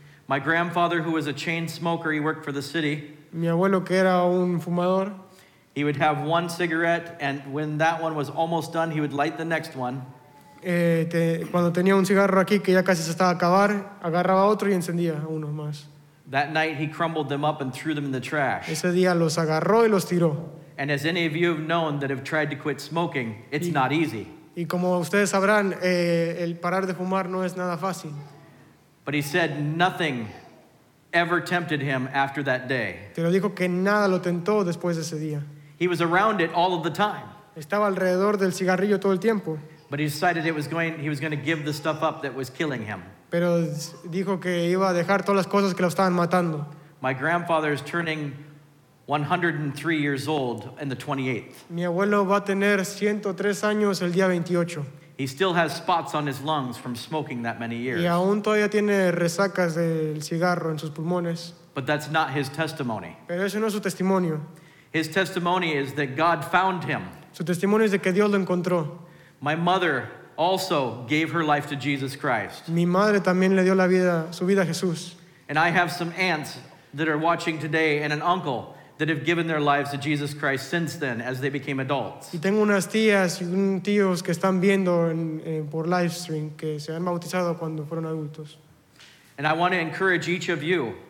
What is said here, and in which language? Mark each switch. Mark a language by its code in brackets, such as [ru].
[en] My grandfather, who was a chain smoker, he worked for the city. [es] Mi abuelo, que era un fumador, [en] He would have one cigarette, and when that one was almost done, he would light the next one. [es] Cuando tenía un cigarro aquí que ya casi se estaba a acabar, agarraba otro y encendía uno más. [en] That night he crumbled them up and threw them in the trash. [es] Ese día los agarró y los tiró. [en] And as any of you have known that have tried to quit smoking, it's not easy. [es] Y como ustedes sabrán, el parar de fumar no es nada fácil. [en] But he said nothing ever tempted him after that day. [es] Pero dijo que nada lo tentó después de ese día. [en] He was around it all of the time. [es] Estaba alrededor del cigarrillo todo el tiempo. [en] But he decided he was going to give the stuff up that was killing him. [es] Pero dijo que iba a dejar todas las cosas que lo estaban matando. [en] My grandfather is turning 103 years old on the 28th. [es] Mi abuelo va a tener 103 años el día 28. [en] He still has spots on his lungs from smoking that many years. [es] Y aún todavía tiene resacas del cigarro en sus pulmones. [en] But that's not his testimony. [es] Pero eso no es su testimonio. [en] His testimony is that God found him. [es] Su testimonio es de que Dios lo encontró. [en] My mother also gave her life to Jesus Christ. [es] Mi madre también le dio la vida, su vida a Jesús. [en] And I have some aunts that are watching today and an uncle that have given their lives to Jesus Christ since then as they became adults. [es] Y tengo unas tías y unos tíos que están viendo por live stream que se han bautizado cuando fueron adultos. [en] And I want to encourage each of you.